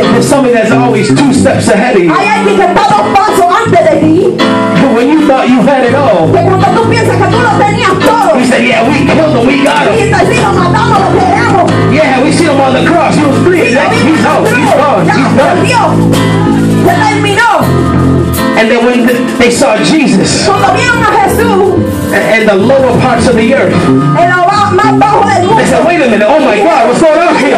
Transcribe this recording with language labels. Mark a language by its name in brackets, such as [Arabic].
[English] There's somebody that's always two steps ahead of you. [Spanish] Hay alguien que está dos pasos antes de ti. [English] But when you thought you had it all. [Spanish] Que cuando tú piensas que tú lo tenías todo. [English] He said, yeah, we killed him, we got him. [Spanish] Y está así, lo matamos, lo queremos. [English] Yeah, we see him on the cross, he was bleeding. Yeah, he's out, he's gone, he's done. [Spanish] Perdió. [English] And then when they saw Jesus, and the lower parts of the earth, they said, wait a minute, oh my God, what's going on here?